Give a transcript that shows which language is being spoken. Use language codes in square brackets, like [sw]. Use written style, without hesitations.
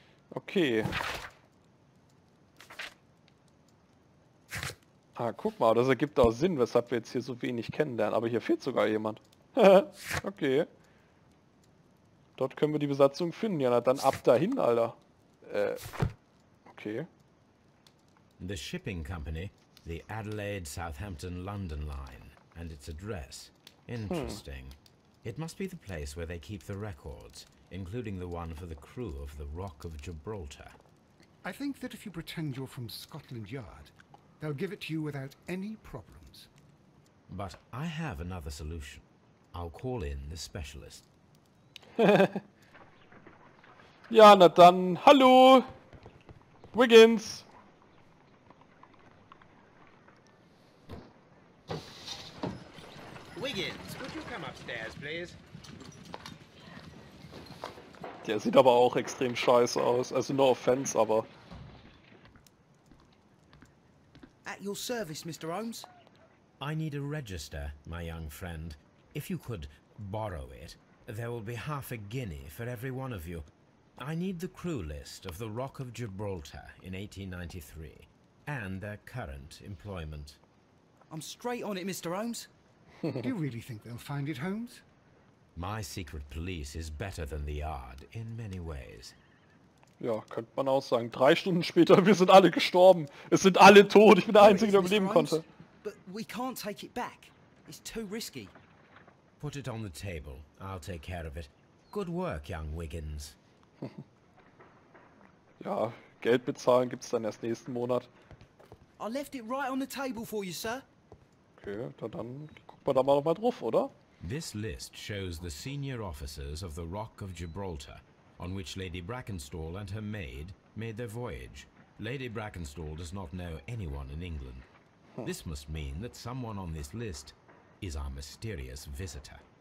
[de] Okay. Ah, guck mal, das ergibt auch Sinn, weshalb wir jetzt hier so wenig kennenlernen. Aber hier fehlt sogar jemand. Okay. Dort können wir die Besatzung finden. Ja, na dann ab dahin, Alter. Okay. [en] The shipping company, the Adelaide Southampton London line, and its address. Interesting. Hm. It must be the place where they keep the records. Including the one for the crew of the Rock of Gibraltar. I think that if you pretend you're from Scotland Yard, they'll give it to you without any problems. But I have another solution. I'll call in the specialist. [de] Ja, na dann. Hallo! Wiggins! [en] Wiggins, could you come upstairs, please? [de] Der sieht aber auch extrem scheiße aus. Also [en] no offense, [de] aber. [en] At your service, Mr. Holmes. I need a register, my young friend. If you could borrow it, there will be half a guinea for every one of you. I need the crew list of the Rock of Gibraltar in 1893 and their current employment. I'm straight on it, Mr. Holmes. Do you really think they'll find it, Holmes? My secret police is better than the Yard in many ways. [de] Ja, könnte man auch sagen. 3 Stunden später, wir sind alle gestorben. Es sind alle tot. Ich bin der Einzige, der überleben konnte. [en] But we can't take it back. It's too risky. Put it on the table. I'll take care of it. Good work, young Wiggins. [de] Ja, Geld bezahlen gibt's dann erst nächsten Monat. [en] I left it right on the table for you, sir. [de] Okay, dann gucken wir da mal nochmal drauf, oder? [en] This list shows the senior officers of the Rock of Gibraltar, on which Lady Brackenstall and her maid made their voyage. Lady Brackenstall does not know anyone in England. This must mean that someone on this list is our mysterious visitor.